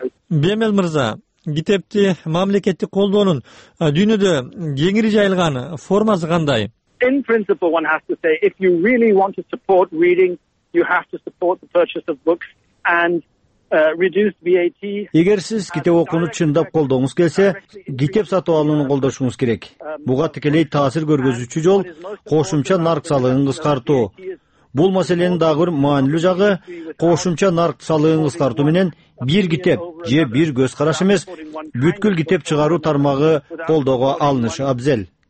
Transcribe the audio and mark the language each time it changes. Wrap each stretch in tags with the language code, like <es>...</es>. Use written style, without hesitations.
<ky>Бемел мырза, китепти мамлекеттик колдоонун дүйнөдө кеңири жайылган формасы кандай?</ky> <en>In principle, one has to say, if you really want to support reading, you have to support the purchase of books and reduce VAT.</en> <ky>Эгер сиз китеп окууну чындап колдогуңуз келсе, китеп сатып алууну колдошуңуз керек. Буга тикелей таасир көргөзүүчү жол кошумча нарк салыгын кыскартуу. Бул маселенин дагы бир маанилүү жагы кошумча нарк салыгын кыскартуу менен бир китеп же бир көз караш эмес, бүткүл китеп чыгаруу тармагы колдоого алынышы абзел.</ky>